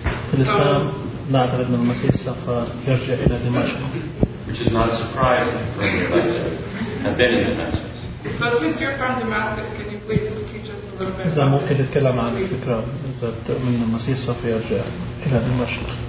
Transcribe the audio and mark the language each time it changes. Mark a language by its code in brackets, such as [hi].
[ar] في الإسلام نعتقد أن المسيح سوف يرجع إلى دمشق. [en] Which is not surprising for you, but have been in the Damascus. So since you're from Damascus, can you please teach us a little bit? [ar] إذا ممكن تتكلم عن الفكرة إذا تؤمن المسيح سوف يرجع إلى دمشق.